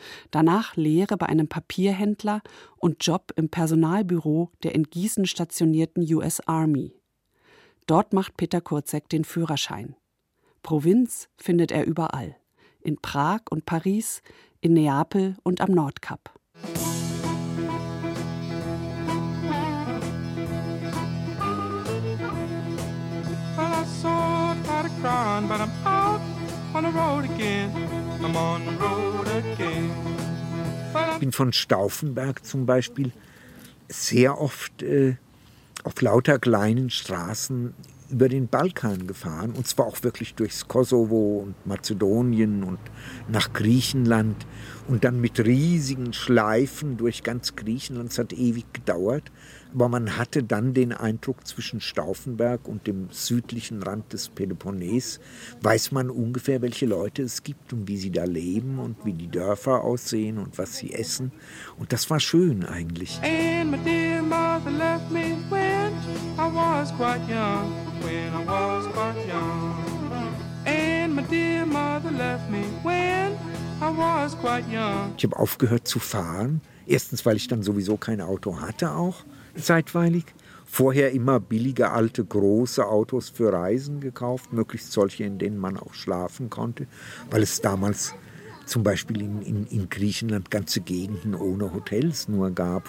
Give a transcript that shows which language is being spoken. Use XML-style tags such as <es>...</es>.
<de>Danach Lehre bei einem Papierhändler und Job im Personalbüro der in Gießen stationierten US Army. Dort macht Peter Kurzeck den Führerschein. Provinz findet er überall. In Prag und Paris, in Neapel und am Nordkap.</de> <en>Well, I saw a car crying, but I'm out on the road again. I'm on the road again.</en> <de>Well, ich bin von Stauffenberg zum Beispiel sehr oft auf lauter kleinen Straßen über den Balkan gefahren, und zwar auch wirklich durchs Kosovo und Mazedonien und nach Griechenland und dann mit riesigen Schleifen durch ganz Griechenland. Es hat ewig gedauert, aber man hatte dann den Eindruck, zwischen Stauffenberg und dem südlichen Rand des Peloponnes weiß man ungefähr, welche Leute es gibt und wie sie da leben und wie die Dörfer aussehen und was sie essen. Und das war schön eigentlich.</de> <en>And my dear mother left me when I was quite young. When I was quite young. And my dear mother left me when I was quite young.</en> <de>Ich habe aufgehört zu fahren. Erstens, weil ich dann sowieso kein Auto hatte, auch zeitweilig. Vorher immer billige, alte, große Autos für Reisen gekauft. Möglichst solche, in denen man auch schlafen konnte. Weil es damals zum Beispiel in Griechenland ganze Gegenden ohne Hotels nur gab.</de>